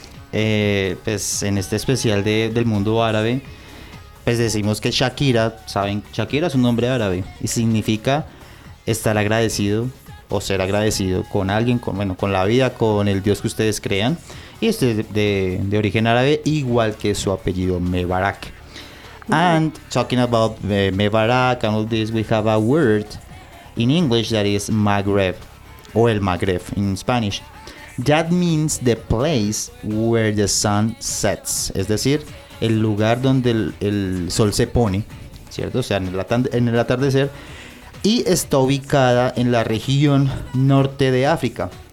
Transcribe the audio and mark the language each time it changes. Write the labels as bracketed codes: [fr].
[es] Pues en este especial del mundo árabe, pues decimos que Shakira, ¿saben? Shakira es un nombre árabe y significa estar agradecido o ser agradecido con alguien, con la vida, con el Dios que ustedes crean. Y es de origen árabe, igual que su apellido, Mebarak. Mm-hmm. [en] And talking about Mebarak and all this, we have a word in English that is Maghreb, or el Maghreb in Spanish. That means the place where the sun sets. [es] Es decir, el lugar donde el sol se pone, ¿cierto? O sea, en el atardecer. Y está ubicada en la región norte de África.